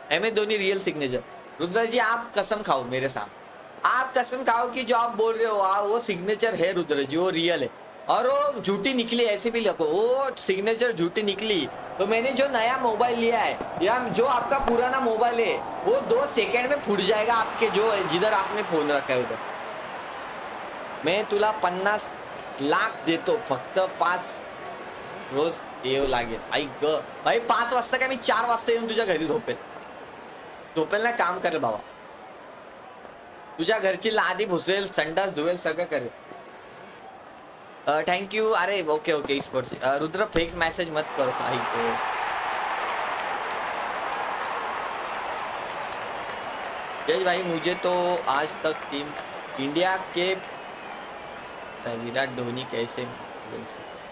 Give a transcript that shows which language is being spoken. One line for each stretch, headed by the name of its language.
Hindi: MS Dhoni real signature, Rudra जी आप कसम खाओ मेरे साथ, आप कसम खाओ कि जो आप बोल रहे हो वो सिग्नेचर है रुद्र जी, वो रियल है, और वो झूठी निकली ऐसी भी लगो, वो सिग्नेचर झूठी निकली तो मैंने जो नया मोबाइल लिया है या जो आपका पुराना मोबाइल है वो 2 सेकेंड में फूट जाएगा आपके, जो जिधर आपने फोन रखा है उधर।
Marathi: मैं तुला 50 लाख देतो फक्त 5 रोज येऊ लागेल। आई ग भाई 5 वाजता का मी 4 वाजता येऊन तुझ्या घरी झोपेल, झोपेल ना काम करेल बाबा, तुझ्या घरची लादी भुसेल, संडास धुवेल, सगळं करेल।
English: Thank you.
Hindi: अरे okay okay sports Rudra fake message मत करो। आई ग यश भाई मुझे तो आज तक टीम इंडिया के विराट धोनी कैसे वैसे।